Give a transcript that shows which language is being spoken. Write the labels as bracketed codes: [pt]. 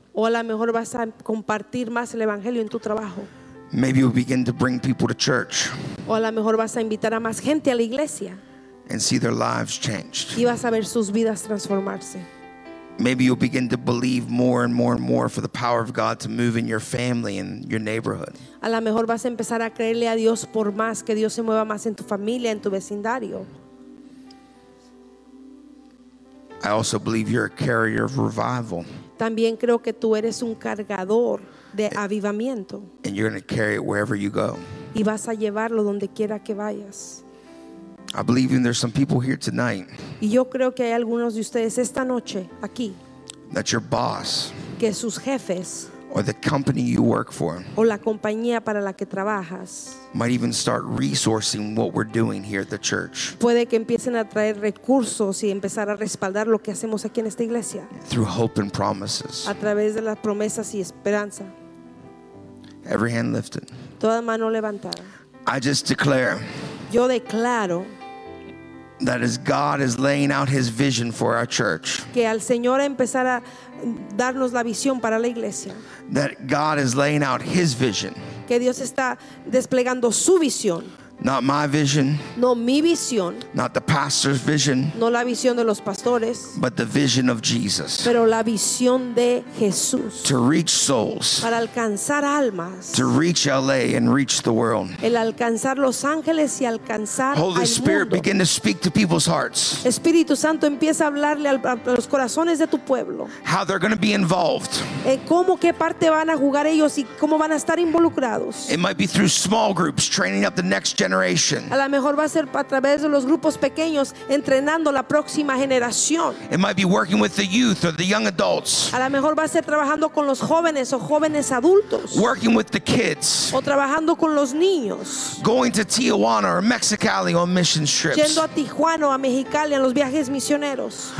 [es] O a lo mejor vas a compartir más el evangelio en tu trabajo. [en] Maybe you'll begin to bring people to church. [es] O a lo mejor vas a invitar a más gente a la iglesia. [en] And see their lives changed. [es] Y vas a ver sus vidas transformarse. [en] Maybe you'll begin to believe more and more and more for the power of God to move in your family and your neighborhood. [es] A lo mejor vas a empezar a creerle a Dios por más que Dios se mueva más en tu familia, en tu vecindario. [en] I also believe you're a carrier of revival. [es] También creo que tú eres un cargador de avivamiento. [en] And you're going to carry it wherever you go. [es] Y vas a llevarlo donde quiera que vayas. [en] I believe there's some people here tonight. [es] Y yo creo que hay algunos de ustedes esta noche aquí. [en] That your boss. [es] Que sus jefes. [en] Or the company you work for. [es] O la compañía para la que trabajas. [en] Might even start resourcing what we're doing here at the church. [es] Puede que empiecen a traer recursos y empezar a respaldar lo que hacemos aquí en esta iglesia. [en] Through hope and promises. [es] A través de las promesas y esperanza. [en] Every hand lifted. [es] Toda mano levantada. [en] I just declare. [es] Yo declaro. [en] That as God is laying out His vision for our church. [es] Que al Señor empezar a darnos la visión para la iglesia. [en] That God is laying out His vision. [es] Que Dios está desplegando su visión. [en] Not my vision. [es] No mi visión. [en] Not the pastor's vision. [es] No la visión de los pastores. [en] But the vision of Jesus. [es] Pero la visión de Jesús. [en] To reach souls. [es] Para alcanzar almas. [en] To reach LA and reach the world. [es] El alcanzar Los Ángeles y alcanzar al mundo. [en] Holy Spirit, begin to speak to people's hearts. [es] Espíritu Santo, empieza a hablarle a los corazones de tu pueblo. [en] How they're going to be involved. [es] Cómo, qué parte van a jugar ellos y cómo van a estar involucrados. [en] It might be through small groups training up the next generation. [es] A lo mejor va a ser a través de los grupos pequeños entrenando la próxima generación. [en] It might be working with the youth or the young adults. [es] A lo mejor va a ser trabajando con los jóvenes o jóvenes adultos. [en] Working with the kids. [es] O trabajando con los niños. [en] Going to Tijuana or Mexicali on mission trips. [es] Yendo a Tijuana o a Mexicali en los viajes misioneros.